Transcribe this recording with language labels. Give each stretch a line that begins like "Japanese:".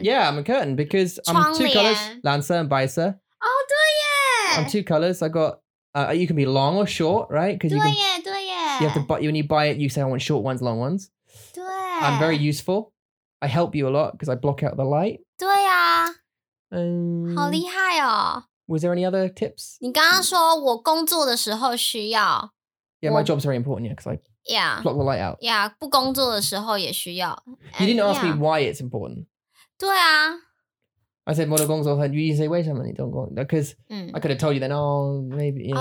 English: Yeah, I'm a curtain because I'm two colors, 蓝色 and 白色。
Chinese: 哦，对耶。
English: I'm two colors. I got, you can be long or short, right?
Chinese: 对耶，对耶。
English: You have to buy, when you buy it, you say, I want short ones, long ones.
Chinese: 对。
English: I'm very useful. I help you a lot because I block out the light.
Chinese: 对呀。嗯。好厉害哦。
English: Was there any other tips?
Chinese: 你刚刚说我工作的时候需要。
English: Yeah, my job's very important, yeah, because I block the light out.
Chinese: Yeah, 不工作的时候也需要。
English: You didn't ask me why it's important.
Chinese: 对啊。
English: I said,
Chinese: 我的工作很,
English: you didn't say,
Chinese: 为什么你都工作?
English: Because I could have told you then, oh, maybe, you know,